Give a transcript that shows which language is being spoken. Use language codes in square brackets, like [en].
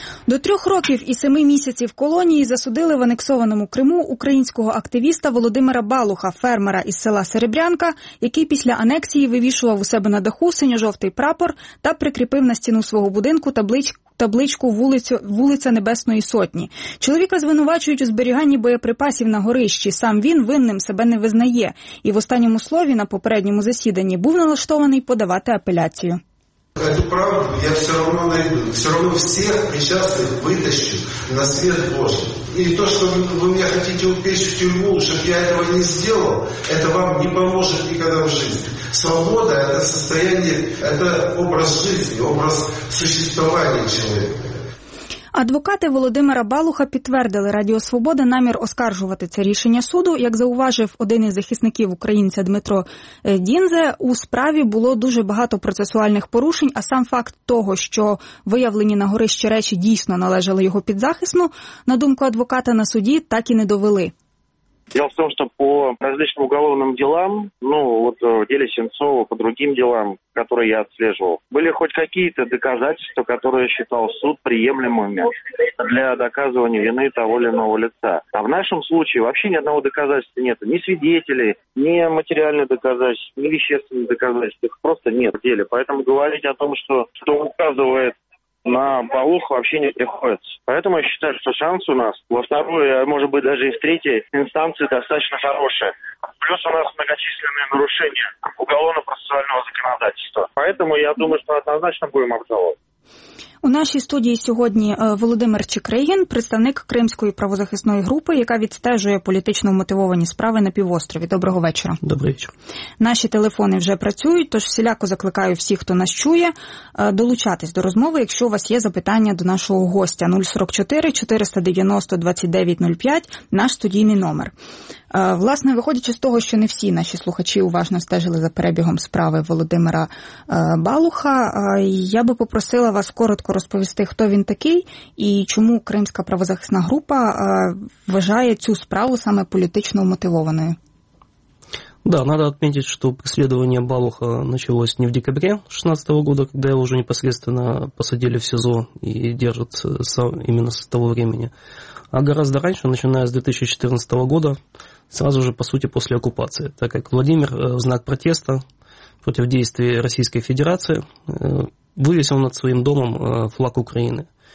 [uk] До 3 років і 7 місяців колонії засудили в анексованому Криму українського активіста Володимира Балуха, фермера із села Серебрянка, який після анексії вивішував у себе на даху синьо-жовтий прапор та прикріпив на стіну свого будинку табличку «Вулиця Небесної Сотні». Чоловіка звинувачують у зберіганні боєприпасів на горищі. Сам він винним себе не визнає. І в останньому слові на попередньому засіданні був налаштований подавати апеляцію. [ru] Эту правду я все равно найду. Все равно всех причастных вытащу на свет Божий. И то, что вы меня хотите упечь в тюрьму, чтобы я этого не сделал, это вам не поможет никогда в жизни. Свобода – это состояние, это образ жизни, образ существования человека. [uk] Адвокати Володимира Балуха підтвердили Радіо Свобода намір оскаржувати це рішення суду. Як зауважив один із захисників українця Дмитро Дінзе, у справі було дуже багато процесуальних порушень, а сам факт того, що виявлені на горищі речі дійсно належали його підзахисну, на думку адвоката на суді, так і не довели. [ru] Дело в том, что по различным уголовным делам, в деле Сенцова, по другим делам, которые я отслеживал, были хоть какие-то доказательства, которые считал суд приемлемыми для доказывания вины того или иного лица. А в нашем случае вообще ни одного доказательства нет. Ни свидетелей, ни материальных доказательств, ни вещественных доказательств. Их просто нет в деле. Поэтому говорить о том, что указывает на Балуху вообще не приходится. Поэтому я считаю, что шанс у нас во второй, а может быть даже и в третьей инстанции достаточно хороший. Плюс у нас многочисленные нарушения уголовно-процессуального законодательства. Поэтому я думаю, что однозначно будем обжаловать. [uk] У нашій студії сьогодні Володимир Чикригін, представник Кримської правозахисної групи, яка відстежує політично мотивовані справи на півострові. Доброго вечора. Добрий вечір. Наші телефони вже працюють, тож всіляко закликаю всіх, хто нас чує, долучатись до розмови, якщо у вас є запитання до нашого гостя. 044-490-2905 – наш студійний номер. Власне, виходячи з того, що не всі наші слухачі уважно стежили за перебігом справи Володимира Балуха, я би попросила вас коротко розповісти, хто він такий і чому Кримська правозахисна група вважає цю справу саме політично мотивованою. [ru] Да, надо отметить, что преследование Балуха началось не в декабре 2016 года, когда его уже непосредственно посадили в СИЗО и держат именно с того времени, а гораздо раньше, начиная с 2014 года, сразу же, по сути, после оккупации, так как Владимир в знак протеста против действий Российской Федерации вывесил над своим домом флаг Украины.